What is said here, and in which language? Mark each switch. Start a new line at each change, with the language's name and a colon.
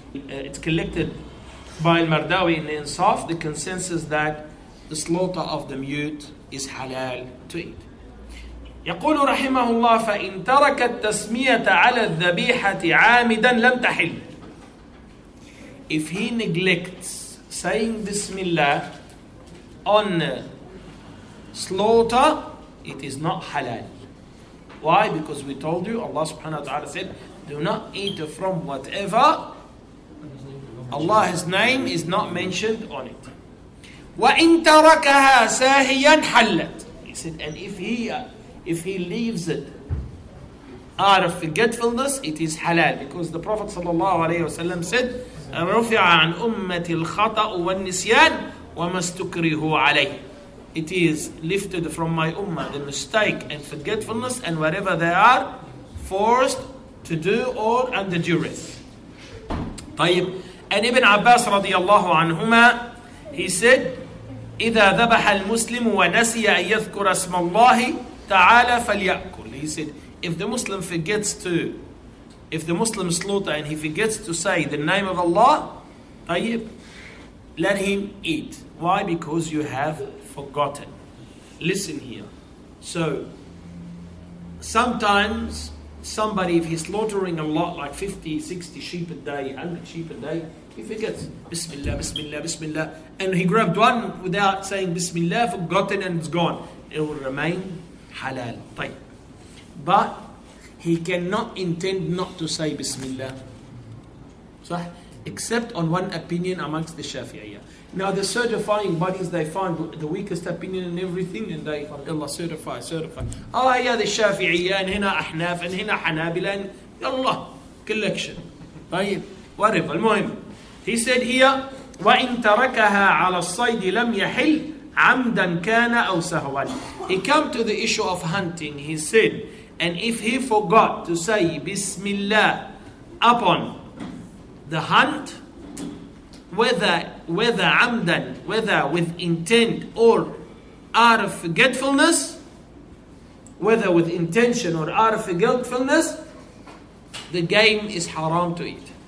English: It's collected by al-Mardawi in the Insaf, the consensus that the slaughter of the mute is halal to eat.
Arabic: يقول رحمه الله فإن ترك التسمية على الذبيحة عامدا لم تحل.
English: If he neglects saying Bismillah on slaughter, it is not halal. Why? Because we told you, Allah subhanahu wa ta'ala said, do not eat from whatever Allah's name is not mentioned on it.
Arabic: وإن تركها ساهيا حلت.
English: He said, and if he leaves it out of forgetfulness, it is halal. Because the Prophet sallallahu alayhi wa sallam said,
Arabic: رُفِعَ عَنْ أُمَّةِ الْخَطَأُ وَالنِّسْيَانِ وَمَا اسْتُكْرِهُ عَلَيْهِ.
English: It is lifted from my ummah, the mistake and forgetfulness and whatever they are forced to do or under duress.
Arabic: طيب أن ابن عباس رضي الله عنهما
English: he said
Arabic: إذا ذبح المسلم ونسي أن يذكر اسم الله تعالى فليأكل.
English: He said if the Muslim forgets to if the Muslim slaughter and he forgets to say the name of Allah طيب let him eat. Why? Because you have forgotten. Listen here. So sometimes somebody, if he's slaughtering a lot, like 50, 60 sheep a day, 100 sheep a day, he forgets, Bismillah, Bismillah, Bismillah. And he grabbed one without saying Bismillah, forgotten, and it's gone. It will remain halal. طيب. But he cannot intend not to say Bismillah. صح? Except on one opinion amongst the Shafi'iyya. Now the certifying bodies, they find the weakest opinion and everything, and they, Allah certify, certify. Oh yeah, the Shafi'iyya, and here Ahnaf, and here Hanabila, and Allah, collection.
Arabic: طيب, whatever, المهم.
English: He said here,
Arabic: وَإِن تَرَكَهَا عَلَى الصَّيْدِ لَمْ يَحِلْ عَمْدًا كَانَ أَوْ سَهْوًا.
English: He come to the issue of hunting, he said, and if he forgot to say Bismillah upon the hunt, whether عمدًا, whether with intent or out of forgetfulness, whether with intention or out of forgetfulness, the game is haram to eat.